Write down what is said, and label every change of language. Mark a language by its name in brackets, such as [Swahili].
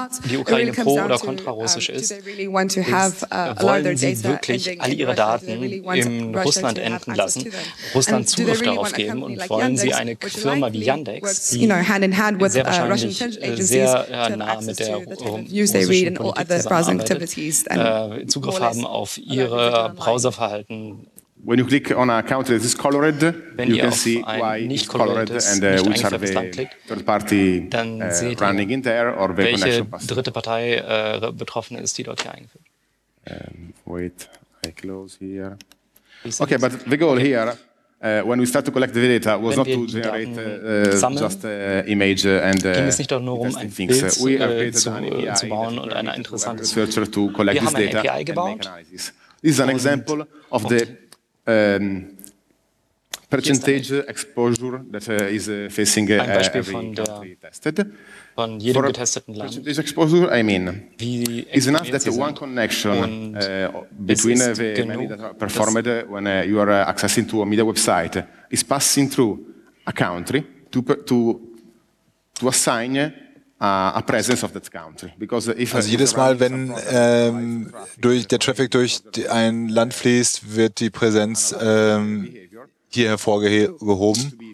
[German] Die Ukraine pro oder kontra-russisch ist, wollen sie wirklich alle ihre Daten in Russland enden lassen, Russland Zugriff darauf geben und wollen sie eine Firma wie Yandex, die sehr wahrscheinlich sehr nah mit der russischen Politik zusammenarbeitet, Zugriff haben auf ihre Browserverhalten. [English] When you click on a country that is colored, [German] wenn [English] you can see why it's colored and which are the third party running in there or the connection passed. [German] Welche dritte Partei betroffen ist, die dort hier eingeführt. [English] Wait, I close here. Okay, but the goal here, when we start to collect the data, was not to generate just image and interesting things. We have created an API and an interesting researcher to collect this data and make analysis. This is an example of the percentage exposure that is facing every [German] getesteten Land. [English] Percentage exposure, I mean, is enough that one connection between the many that are performed when you are accessing to a media website is passing through a country to assign a presence of that country. Because if [German] also jedes Mal, wenn durch der Traffic durch ein Land fließt, wird die Präsenz hier hervorgehoben.